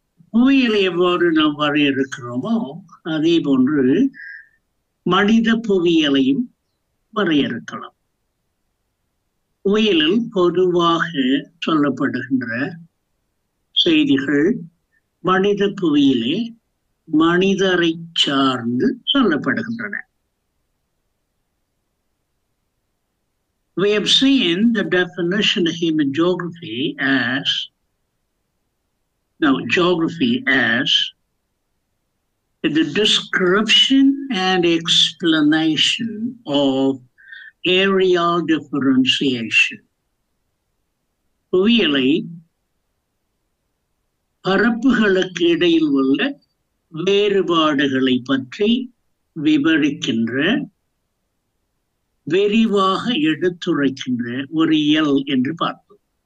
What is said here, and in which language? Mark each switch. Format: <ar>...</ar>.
<ta>புவியியலை எவ்வாறு நாம் வரையறுக்கிறோமோ அதே போன்று மனித புவியியலையும் வரையறுக்கலாம். புவியியலில் பொதுவாக சொல்லப்படுகின்ற செய்திகள் மனித புவியிலே மனிதரை சார்ந்து சொல்லப்படுகின்றன.</ta> <en>We have seen the definition of human geography as geography as the description and explanation of area differentiation.</en> <ta>புவியியலை பரப்புகளுக்கு இடையில் உள்ள வேறுபாடுகளை பற்றி விவரிக்கின்ற விரிவாக எடுத்துரைக்கின்ற ஒரு இயல் என்று பார்த்தோம்.</ta>